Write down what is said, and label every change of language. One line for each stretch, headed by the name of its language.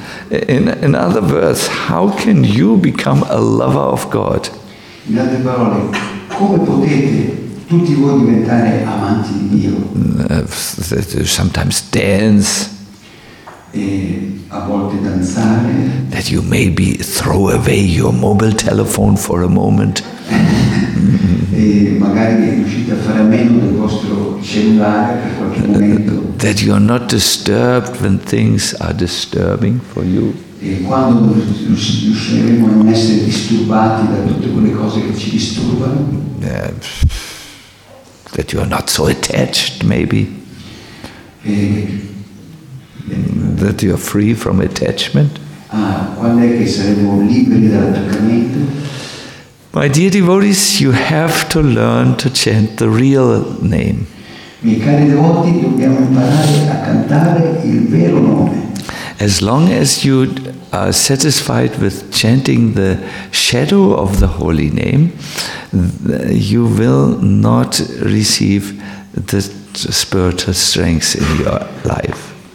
English: In other words, how can you become a lover of God?
Italian: In altre parole, come potete tutti voi diventare amanti di Dio?
English: Sometimes dance.
Italian: A volte danzare.
English: That you maybe throw away your mobile telephone for a moment.
Italian: Magari riuscite a fare a meno del vostro cellulare per qualche momento.
English: That you are not disturbed when things are disturbing for you.
Italian: E quando riusciremo a non essere disturbati da tutte quelle cose che ci disturbano?
English: That you are not so attached, maybe. That you are free from attachment.
Italian: Ah, quando è che saremo liberi dall'attaccamento?
English: My dear devotees, you have to learn to chant the real name.
Italian: Miei cari devoti, dobbiamo imparare a cantare il vero nome.
English: As long as you are satisfied with chanting the shadow of the holy name, you will not receive the spiritual strength in your life.